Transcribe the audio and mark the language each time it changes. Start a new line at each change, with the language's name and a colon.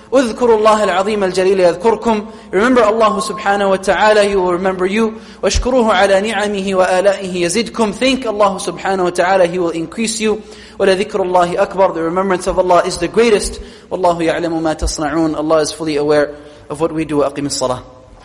Arabic: اذكروا الله العظيم الجليل يذكركم.
English: Remember Allah subhanahu wa ta'ala, He will remember you.
Arabic: واشكروه على نعمه وآلائه يزدكم.
English: Thank Allah subhanahu wa ta'ala, He will increase you.
Arabic: ولذكر الله أكبر,
English: the remembrance of Allah is the greatest.
Arabic: والله يعلم ما تصنعون,
English: Allah is fully aware of what we do.
Arabic: أقم الصلاة.